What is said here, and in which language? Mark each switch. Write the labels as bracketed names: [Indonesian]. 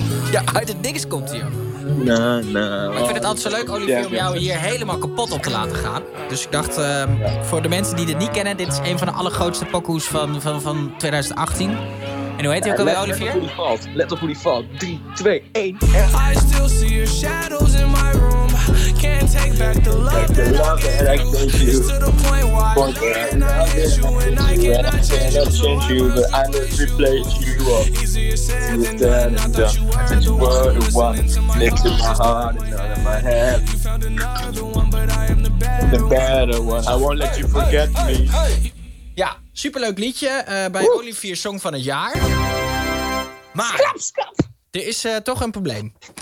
[Dutch] Ja, uit het niks komt hij ook. Nah. Ik vind het altijd zo leuk, Olivier, om jou hier helemaal kapot op te laten gaan. Dus ik dacht, voor de mensen die dit niet kennen, dit is een van de allergrootste pokkoes van 2018. En hoe heet hij ook alweer, Olivier? Let op hoe die valt. 3, 2, 1. [English] I still see your shadows in my room. Can't take back the love that I gave you. It's to the point why I hate you and I cannot change you. But I must replace you up. Easier said than done. I thought you were the one. Next to my heart and out of my head. You found another one, but I am the better one. I won't let you forget me. [Dutch] Ja, superleuk liedje bij Olivier Song van het Jaar. Maar, er is toch een probleem.